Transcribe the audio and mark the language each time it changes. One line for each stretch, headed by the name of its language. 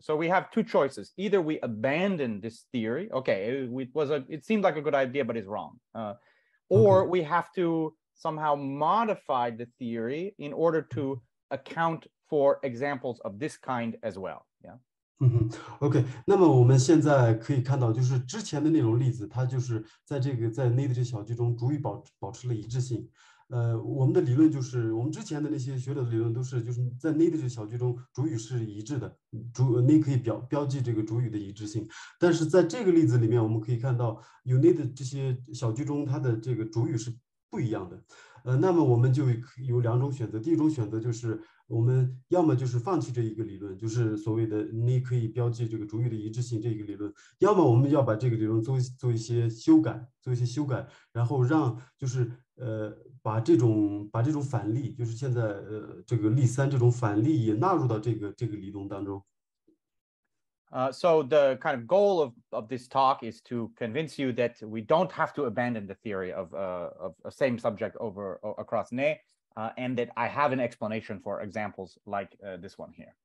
English: So we have two choices. Either we abandon this theory, okay, it seemed like a good idea, but it's wrong. Or okay. We have to somehow modify the theory in order to account for examples of this kind as well.
Chinese: Okay, 那么我们现在可以看到，就是之前的那种例子，它就是在这个在内的这小句中主语保持了一致性。我们的理论就是我们之前的那些学者的理论都是就是在内的这小句中主语是一致的，你可以标记这个主语的一致性。但是在这个例子里面，我们可以看到United这些小句中它的这个主语是不一样的。那么我们就有两种选择，第一种选择就是 我们要么就是放弃这一个理论，就是所谓的你可以标记这个主语的一致性这一个理论，要么我们要把这个理论做一些修改，然后让就是把这种反例，就是现在这个例三这种反例也纳入到这个理论当中。So
English: the kind of goal of this talk is to convince you that we don't have to abandon the theory of a same subject over across ne. And that I have an explanation for examples like this one here.